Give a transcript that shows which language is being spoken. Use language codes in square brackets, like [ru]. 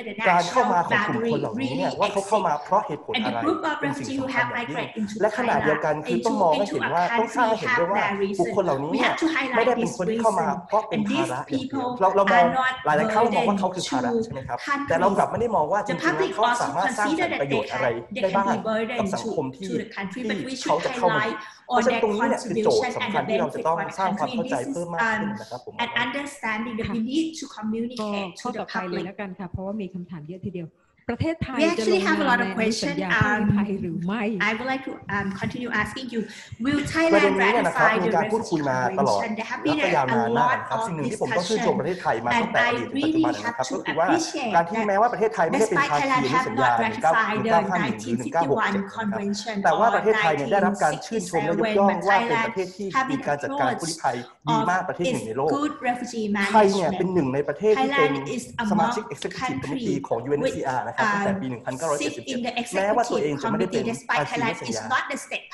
[th] การเข้ามาของกลุ่มคนเหล่านี้เนี่ยว่าเขาเข้ามาเพราะเหตุผลอะไรเป็นสิ่งที่ทำให้เกิดขึ้นและขนาดเดียวกันคือต้องมองให้เห็นว่าต้องสร้างให้เห็นด้วยว่าบุคคลเหล่านี้ไม่ได้เป็นคนที่เข้ามาเพราะเป็นภาระเรามองหลายๆเข้ามองว่าเขาคือภาระใช่ไหมครับแต่เรากลับไม่ได้มองว่าจริงๆแล้วเขาสามารถสร้างประโยชน์อะไรได้บ้างกับสังคมที่เขาจะเข้ามาเพราะฉะนั้นตรงนี้เนี่ยคือโจทย์สำคัญที่เราจะต้องสร้างความเข้าใจเพิ่มมากขึ้นนะครับผม [en] และ understanding that we need to communicate to the public [th] แล้วกันค่ะเพราะว่ามีคำถามเยอะทีเดียว ประเทศไทยจะ [en] actually have a lot of questions [th] ไทยหรือไม่ [en] I would like to continue asking you will Thailand ratify the refugee convention there have been a lot of discussion and I really have to appreciate that despite Thailand have not ratified the 1951 convention [th] แต่ว่าประเทศไทยได้รับการชื่นชมและยกย่องว่าเป็นประเทศที่มีการจัดการผู้ลี้ภัยดีมากประเทศหนึ่งในโลกไทยเนี่ยเป็นหนึ่งในประเทศที่เป็นสมาชิก Executive Committee ของ UNHCR นะครับตั้งแต่ปี 1977 แม้ว่าตัวเองจะไม่ได้เป็นภาคีในสัญญาน